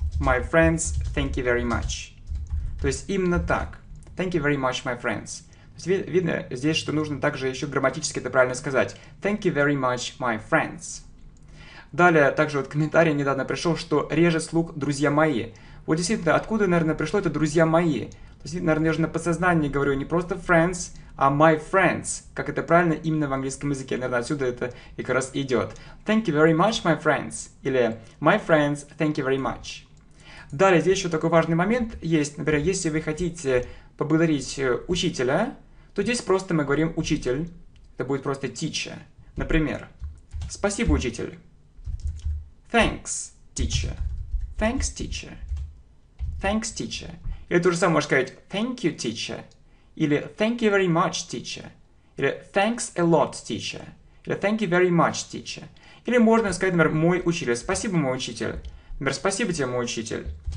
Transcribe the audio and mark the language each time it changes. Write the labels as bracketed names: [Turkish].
[English] My friends, thank you very much. [Russian] То есть именно так. [English] Thank you very much, my friends. [Russian] То есть видно здесь, что нужно также еще грамматически это правильно сказать. [English] Thank you very much, my friends. [Russian] Далее, также вот комментарий недавно пришел, что режет слух «друзья мои». Вот действительно, откуда, наверное, пришло это «друзья мои»? То есть, наверное, я уже на подсознании говорю не просто «friends», а [English] «my friends», [Russian] как это правильно именно в английском языке. Наверное, отсюда это и как раз идет. [English] «Thank you very much, my friends» или «my friends, thank you very much». [Russian] Далее, здесь еще такой важный момент есть. Например, если вы хотите поблагодарить учителя, то здесь просто мы говорим «учитель». Это будет просто «teacher». Например, «спасибо, учитель». [English] Thanks, teacher. Thanks, teacher. Thanks, teacher. Или то же самое можно сказать thank you, teacher. Или thank you very much, teacher. Или thanks a lot, teacher. Или thank you very much, teacher. [Russian] Или можно сказать, например, мой учитель. Спасибо, мой учитель. Например, спасибо тебе, мой учитель.